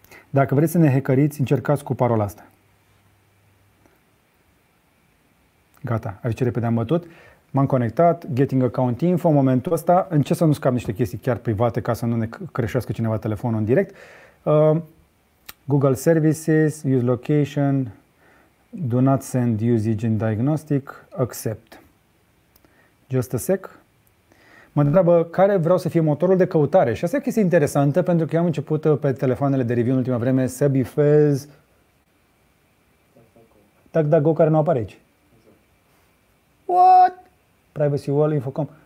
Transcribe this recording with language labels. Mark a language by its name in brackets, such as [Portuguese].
[Romanian] Dacă vreți să ne hackeriți, încercați cu parola asta. Gata, aici repede am bătut. M-am conectat, [English] getting account info, [Romanian] în momentul ăsta, în ce să nu scap niște chestii chiar private ca să nu ne creșească cineva telefonul în direct. [English] Google Services, use location, do not send usage in diagnostic, accept. Just a sec. [Romanian] Mă întreabă care vreau să fie motorul de căutare și asta e o chestie interesantă pentru că eu am început pe telefoanele de review în ultima vreme, Sebifez, DuckDuckGo care nu apare aici. [English] What? [Romanian] Privacy Wall, Infocom.